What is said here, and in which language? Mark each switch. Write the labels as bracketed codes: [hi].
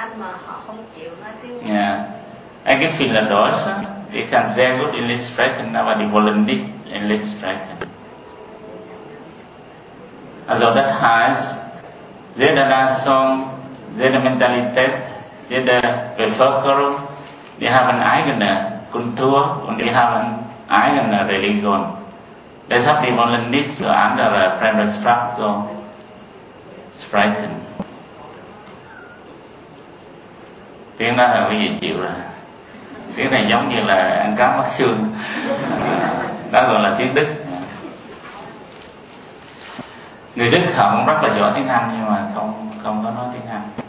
[vi] Đức, người Đức mới nói tiếng Anh mà họ không chịu nói tiếng Anh. [en] Yeah. [de] Ich kann sehr gut Englisch sprechen, aber die wollen nicht Englisch sprechen. Also das heißt, jede Nation, jede Mentalität, jede Bevölkerung, die haben eigene Kultur und die haben eigene Religion. Deshalb die wollen nicht so andere fremde Sprachen. [en] Frightened. [vi] Tiếng đó là cái gì chịu rồi. Tiếng này giống như là ăn cá mắc xương. Đó gọi là tiếng Đức. Người Đức họ cũng rất là giỏi tiếng Anh nhưng mà không có nói tiếng Anh.